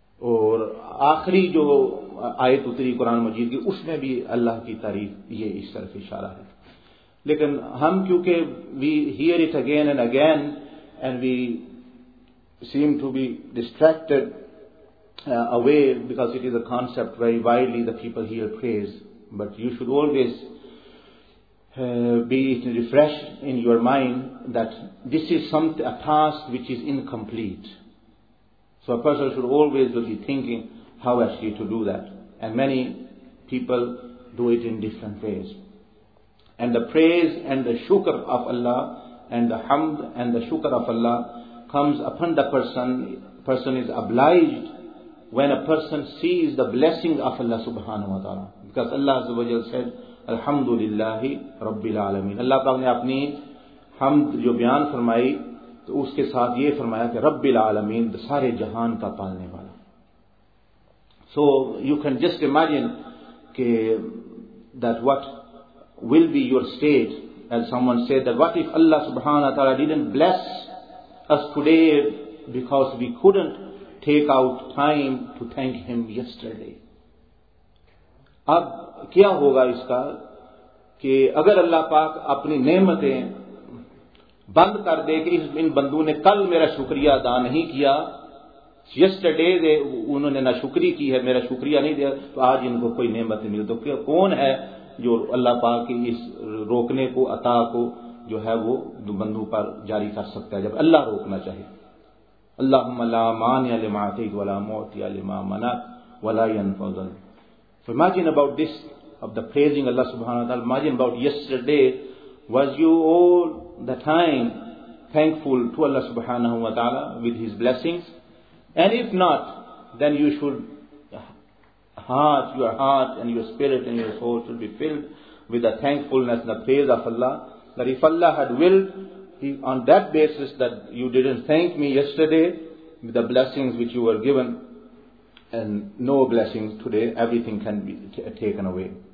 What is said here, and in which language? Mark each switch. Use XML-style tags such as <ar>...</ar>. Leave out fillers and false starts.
<ur>اور آخری جو آیت اتری قرآن مجید کی, اس میں بھی اللہ کی تعریف یہ اس طرف اشارہ ہے. لیکن ہم کیونکہ</ur> <en>we hear it again and we seem to be distracted away because it is a concept very widely the people here praise, but you should always be refreshed in your mind that this is a task which is incomplete. So a person should always be thinking how actually to do that. And many people do it in different ways. And the praise and the shukr of Allah and the hamd and the shukr of Allah comes upon the person. Person is obliged when a person sees the blessing of Allah subhanahu wa ta'ala. Because Allah azza wa jal said,</en> <ar>Alhamdulillahi Rabbil Alameen.</ar> <ur>Allah ta'ala ne apni hamd jo bayan farmayi, تو اس کے ساتھ یہ فرمایا کہ رب العالمین, سارے جہان کا پالنے والا.</ur> <en>So you can just imagine کہ that what will be your state. And someone said that what if Allah subhanahu wa ta'ala didn't bless us today because we couldn't take out time to thank him yesterday.</en> <ur>اب کیا ہوگا اس کا کہ اگر اللہ پاک اپنی نعمتیں بند کر دے کہ ان بندوں نے کل میرا شکریہ ادا نہیں کیا, یسٹرڈے انہوں نے نہ شکری کی ہے, میرا شکریہ نہیں دیا, تو آج ان کو کوئی نعمت نہیں ملی, تو کون ہے جو اللہ پاک کی اس روکنے کو, عطا کو جو ہے وہ بندوں پر جاری کر سکتا ہے جب اللہ روکنا چاہے.</ur> <ar>اللہم لا مانع لما اعطیت ولا معطی لما منعت ولا ينفع ذا الجد.</ar> <en>So imagine about this, of the praising Allah subhanahu wa ta'ala. Imagine about yesterday, was you all the time thankful to Allah subhanahu wa ta'ala with his blessings? And if not, then you should your heart and your spirit and your soul should be filled with the thankfulness and the praise of Allah, that if Allah had willed, he, on that basis that you didn't thank me yesterday with the blessings which you were given and no blessings today, everything can be taken away.</en>